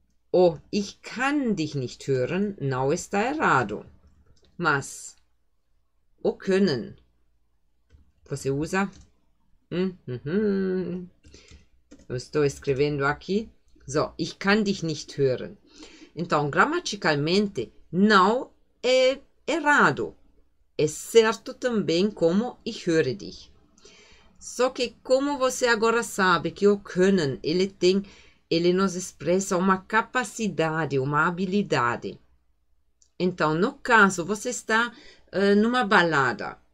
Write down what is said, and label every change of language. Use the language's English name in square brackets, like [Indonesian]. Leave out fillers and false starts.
[Portuguese] Ou [German] "Ich kann dich nicht hören" [Portuguese] não está errado. Mas o können você usa? Eu estou escrevendo aqui. [German] So, "ich kann dich nicht hören". [Portuguese] Então, gramaticalmente, não é errado. É certo também como [German] "ich höre dich". [Portuguese] Só que como você agora sabe que o können, ele nos expressa uma capacidade, uma habilidade. Então, no caso, você está numa balada